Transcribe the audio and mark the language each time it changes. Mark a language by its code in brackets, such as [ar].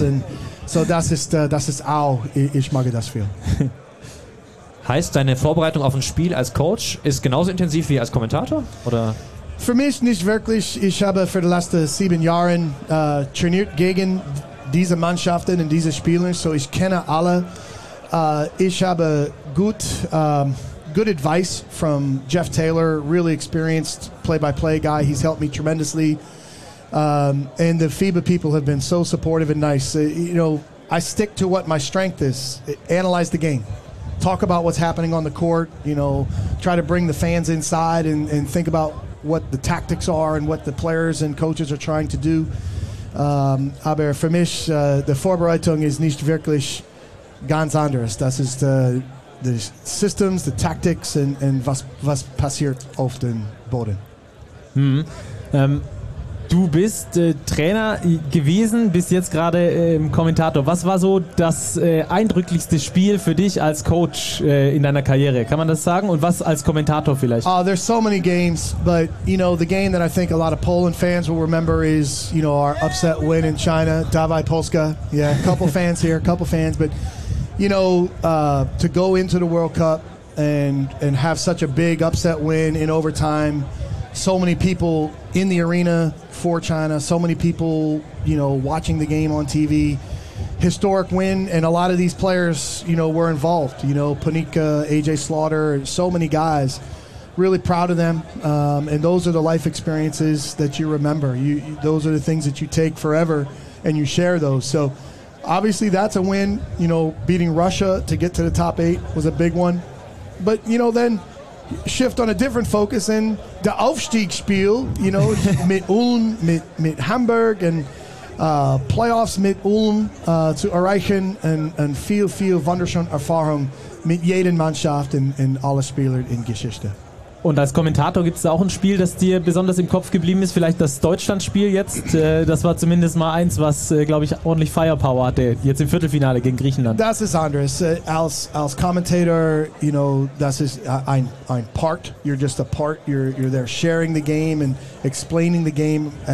[de] Und so, das ist auch, ich mag das viel. Heißt, deine Vorbereitung auf ein Spiel als Coach ist genauso intensiv wie als Kommentator? Oder? Für mich nicht wirklich. Ich habe für die letzten 7 Jahren trainiert gegen diese Mannschaften und diese Spieler, so ich kenne alle. Ich habe [en] good advice from Jeff Taylor, really experienced play-by-play guy. He's helped me tremendously. And the FIBA people have been so supportive and nice. You know, I stick to what my strength is. Analyze the game. Talk about what's happening on the court. You know, try to bring the fans inside and think about what the tactics are and what the players and coaches are trying to do. [de] Aber für mich, die Vorbereitung ist nicht wirklich ganz anders. Das ist [en] the systems, the tactics and [de] was passiert auf dem Boden. Mm-hmm. Du bist Trainer gewesen, bist jetzt gerade Kommentator. Was war so das eindrücklichste Spiel für dich als Coach in deiner Karriere? Kann man das sagen? Und was als Kommentator vielleicht? [en] There's so many games, but you know, the game that I think a lot of Poland fans will remember is, you know, our upset win in China, [pl] Dawaj Polska. [en] Yeah, a couple fans here, a couple fans, but you know, to go into the World Cup and have such a big upset win in overtime. So many people in the arena for China, so many people, you know, watching the game on TV. Historic win, and a lot of these players, you know, were involved. You know, Panika, AJ Slaughter, so many guys. Really proud of them. And those are the life experiences that you remember. Those are the things that you take forever, and you share those. So, obviously, that's a win. You know, beating Russia to get to the top 8 was a big one. But, you know, then shift on a different focus in the [de] Aufstiegsspiel, [en] you know, [de] mit Ulm, mit Hamburg [en] and playoffs [de] mit Ulm zu erreichen and viel, viel wunderschöne Erfahrung mit jeder Mannschaft in alle Spieler in Geschichte. Und als Kommentator gibt es da auch ein Spiel, das dir besonders im Kopf geblieben ist, vielleicht das Deutschlandspiel jetzt. Das war zumindest mal eins, was, glaube ich, ordentlich Firepower hatte, jetzt im Viertelfinale gegen Griechenland. Das ist anders. Als Kommentator, [en] you know, [de] das ist ein Part. [en] You're just a part. You're there sharing the game and explaining the game.